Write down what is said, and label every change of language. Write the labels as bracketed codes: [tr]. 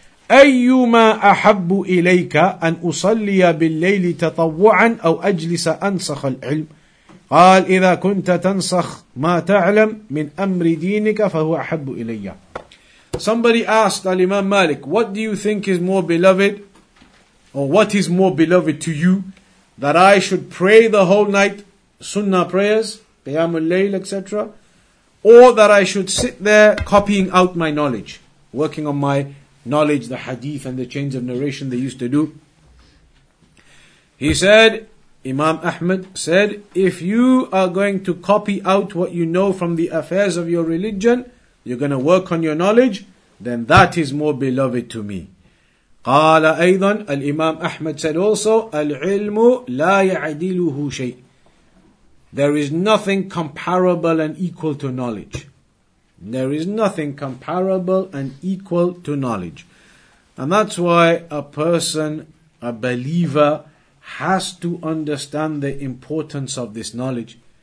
[ar] أيما أحب إليك أن أصلي بالليل تطوعا أو أجلس أنسخ العلم؟ قال إذا كنت تنسخ ما تعلم من أمر دينك فهو أحب إلي. [en] Somebody asked Al-Imam Malik, what do you think is more beloved? Or what is more beloved to you? That I should pray the whole night, sunnah prayers, qiyam al-layl, etc. Or that I should sit there copying out my knowledge, working on my knowledge, the hadith and the chains of narration they used to do. He said, Imam Ahmad said, if you are going to copy out what you know from the affairs of your religion, you're going to work on your knowledge, then that is more beloved to me. [ar] قال أيضا, [en] Al-Imam Ahmad said also, [ar] العلم لا يعدله شيء. [en] There is nothing comparable and equal to knowledge. There is nothing comparable and equal to knowledge. And that's why a person, a believer, has to understand the importance of this knowledge.